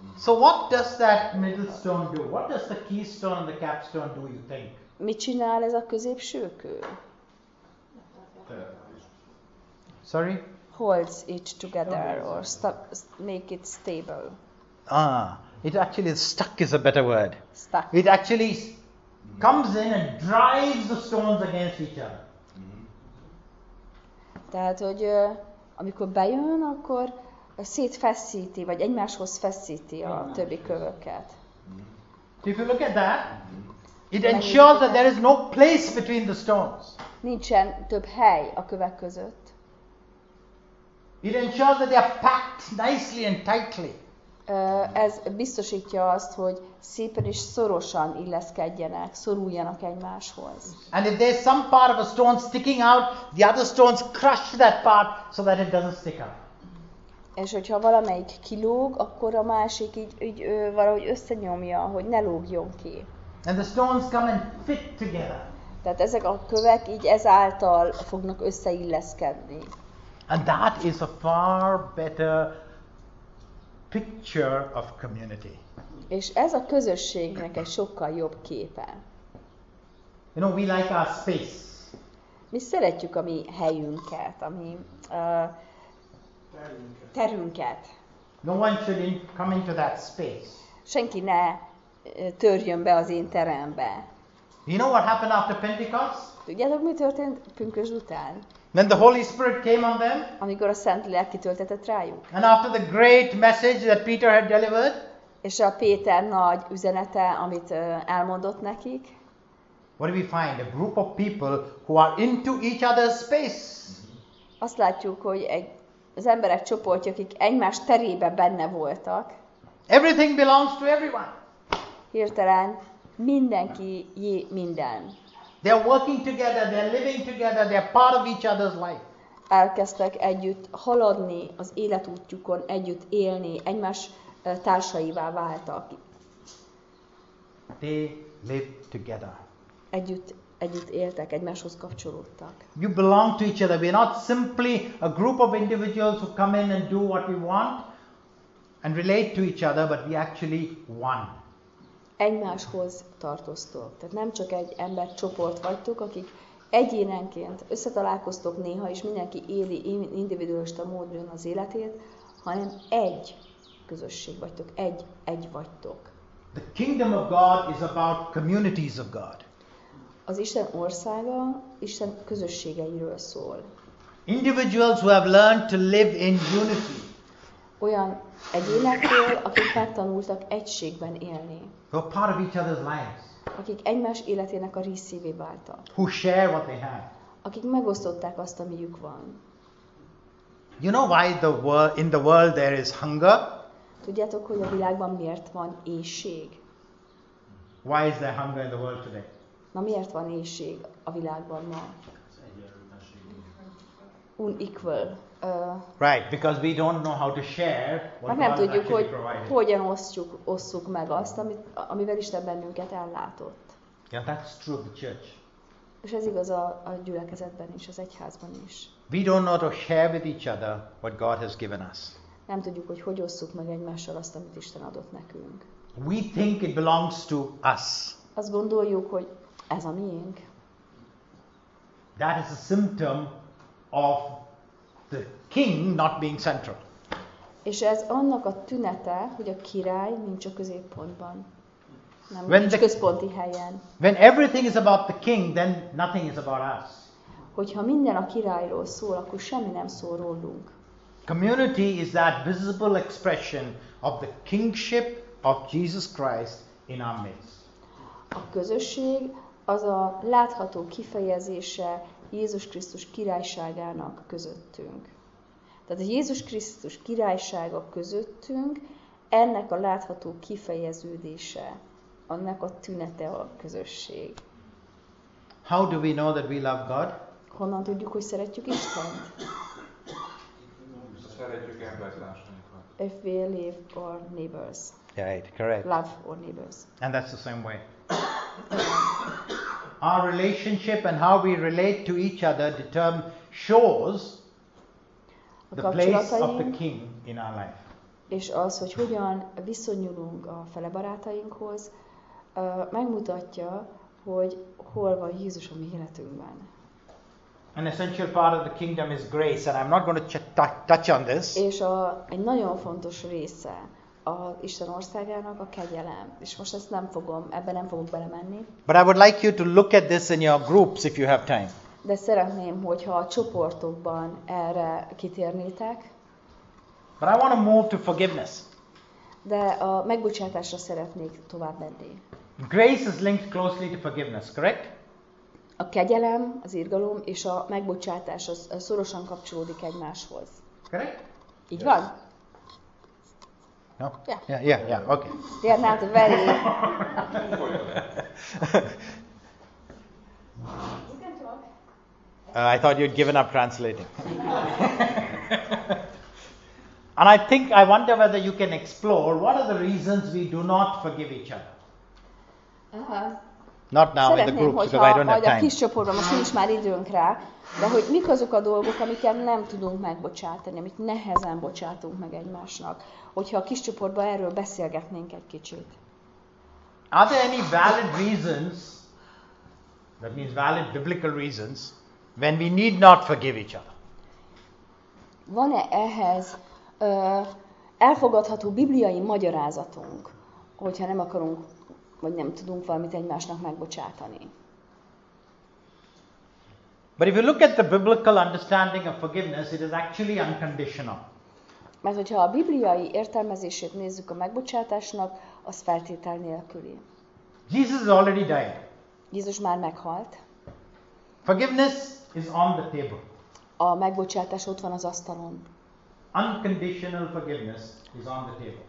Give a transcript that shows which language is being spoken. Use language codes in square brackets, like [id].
[en] So what does that middle stone do? What does the keystone and the capstone do, you think? [hu] Mit csinál ez a középső kő? [en] Sorry? Holds it together or make it stable. Ah, it actually, stuck is a better word. Stuck. It actually comes in and drives the stones against each other. [hu] Tehát, hogy amikor bejön, akkor szétfeszíti, vagy egymáshoz feszíti a többi kövöket. [en] If you look at that, it ensures that there is no place between the stones. [hu] Nincsen több hely a kövek között. [en] It ensures that they are packed nicely and tightly. [hu] Ez biztosítja azt, hogy szépen és szorosan illeszkedjenek, szoruljanak egymáshoz. [en] And if there's some part of a stone sticking out, the other stones crush that part so that it doesn't stick out. [hu] És hogyha valamelyik kilóg, akkor a másik így valahogy összenyomja, hogy ne lógjon ki. [en] And the stones come and fit together. [hu] Tehát ezek a kövek így ezáltal fognak összeilleszkedni. [en] And that is a far better picture of community. [hu] És ez a közösségnek egy sokkal jobb képe. [en] You know, we like our space. [hu] Mi szeretjük a mi helyünket, a mi terünket. [en] No one should come into that space. [hu] Senki ne törjön be az én terembe. [en] You know what happened after Pentecost? [hu] Tudjátok, mi történt Pünkösd után? [en] Then the Holy Spirit came on them. [hu] Amikor a Szent Lélek kitöltetett rájuk. [en] And after the great message that Peter had delivered. [hu] És a Péter nagy üzenete, amit elmondott nekik. [en] What do we find? A group of people who are into each other's space. [hu] Azt látjuk, hogy az emberek csoportja, akik egymás terébe benne voltak. [en] Everything belongs to everyone. [hu] Hirtelen mindenki minden. [en] They are working together, they are living together, they are part of each other's life. [hu] Elkezdtek együtt haladni az életútjukon, együtt élni, egymás társaivá váltak. [en] They live together. [hu] Együtt együtt éltek, egymáshoz kapcsolódtak. [en] You belong to each other. We're not simply a group of individuals who come in and do what we want and relate to each other, but we actually one. [hu] Egymáshoz tartoztok. Tehát nem csak egy ember csoport vagytok, akik egyénenként összetalálkoztok néha, és mindenki éli individualista módon az életét, hanem egy közösség vagytok, egy vagytok. [en] The kingdom of God is about communities of God. [hu] Az Isten országa Isten közösségeiről szól. [en] Individuals who have learned to live in unity. [hu] Olyan egyénekről, akik megtanultak egységben élni. [en] Who are part of each other's lives. [hu] Akik egymás életének a részévé váltak. [en] Who share what they have. [hu] Akik megosztották azt, amiük van. [en] You know why the world, in the world there is hunger? [hu] Tudjátok, hogy a világban miért van éhség? [en] Why is there hunger in the world today? [hu] Na miért van éhség a világban ma? [en] Unequal. Right, because we don't know how to share what God actually provided. [hu] Hogyan osszuk meg azt, amivel Isten bennünket ellátott. [en] Yeah, that's true of the church. [hu] És ez igaz a gyülekezetben is, az egyházban is. [en] We don't know how to share with each other what God has given us. [hu] Nem tudjuk, hogy hogy osszuk meg egymással azt, amit Isten adott nekünk. [en] We think it belongs to us. [hu] Azt gondoljuk, hogy ez a miénk. [en] That is a symptom of the king not being central. [hu] És ez annak a tünete, hogy a király nincs a középpontban. Nem, [en] when [hu] nincs központi helyen. [en] When everything is about the king, then nothing is about us. [hu] Hogyha minden a királyról szól, akkor semmi nem szól rólunk. [en] Community is that visible expression of the kingship of Jesus Christ in our midst. [hu] A közösség az a látható kifejezése Jézus Krisztus királyságának közöttünk. Tehát a Jézus Krisztus királysága közöttünk, ennek a látható kifejeződése, annak a tünete a közösség. [en] How do we know that we love God? [hu] Honnan tudjuk, hogy szeretjük Istent? Szeretjük embertársainkat. [en] If we love our neighbors. Right, correct. Love our neighbors. And that's the same way. Our relationship and how we relate to each other shows the place of the king in our life. [hu] És az, hogy hogyan viszonyulunk a fele barátainkhoz, megmutatja, hogy hol van Jézus a mi életünkben. [en] An essential part of the kingdom is grace, and I'm not going to touch on this. [hu] És egy nagyon fontos része a Isten országának a kegyelem. És most ezt nem fogom, ebben nem fogok belemenni. [en] But I would like you to look at this in your groups if you have time. [hu] De szeretném, hogyha a csoportokban erre kitérnétek. [en] But I want to move to forgiveness. [hu] De a megbocsátásra szeretnék tovább menni. [en] Grace is linked closely to forgiveness, correct? [hu] A kegyelem, az irgalom és a megbocsátás az szorosan kapcsolódik egymáshoz. [en] Correct? [hu] Így yes. Van? [en] No? Yeah. Okay. They are not very... You can talk. I thought you'd given up translating. And I think, I wonder whether you can explore what are the reasons we do not forgive each other. Not now [hu] szeretném, [en] in the group, because I don't have time. [hu] Szeretném, a kis csoportban, most nincs már időnk rá, de hogy mik azok a dolgok, amiket nem tudunk megbocsátani, amit nehezen bocsátunk meg egymásnak, hogyha a kis csoportban erről beszélgetnénk egy kicsit. [en] Are there any valid reasons, that means valid biblical reasons, when we need not forgive each other? [hu] Van-e ehhez elfogadható bibliai magyarázatunk, hogyha nem akarunk vagy nem tudunk valamit egymásnak megbocsátani. [en] But if you look at the biblical understanding of forgiveness, it is actually unconditional. [hu] Mert hogyha a bibliai értelmezését nézzük a megbocsátásnak, az feltétel nélküli. [en] Jesus already died. [hu] Jézus már meghalt. [en] Forgiveness is on the table. [hu] A megbocsátás ott van az asztalon. [en] Unconditional forgiveness is on the table.